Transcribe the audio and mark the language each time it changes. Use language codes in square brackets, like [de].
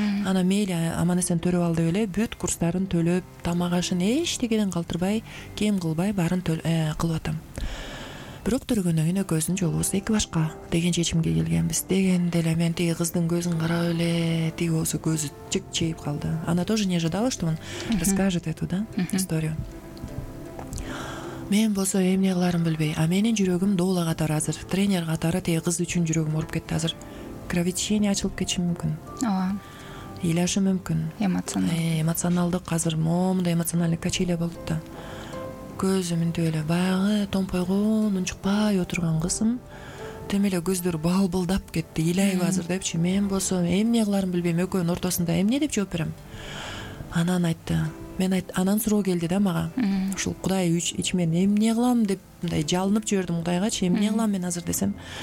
[ky] Анан мейли аман эсен төрөп ал деп эле бүт курстарын төлөп, тамак ашын эчтекеден калтырбай, кем кылбай баарын кылып атам. Бирок төрөгөндөн кийин экөөбүздүн жолубуз эки башка деген чечимге келгенбиз. Дегенде эле мен тиги кыздын көзүн карап эле, тиги болсо көзү чыкчейип калды. [ru] Она тоже не ожидала, что он расскажет эту историю. [ky] Мен болсо эмне кыларын билбей, а менин жүрөгүм доола катары азыр, тренер катары тиги кыз үчүн жүрөгүм ооруп кетти азыр. Кровотечение ачылып кетиши мүмкүн. Ооба. Ыйлашы мүмкүн. Эмоционалдык азыр момундай [ru] эмоциональный качеля [ky] болуп да. Көзү мынтип эле баягы томпойгон, унчукпай отурган кызым тем эле көздөрү балбылдап кетти, ыйлайбы азыр депчи. Мен болсо эмне кыларын билбейм, экөөнүн ортосунда эмне деп жооп берем. Анан айтты. Анан суроо келди да мага. Ушул кудай ичимен эмне кылам деп мындай жалынып жибердим кудайгачы, эмне кылам мен азыр десем.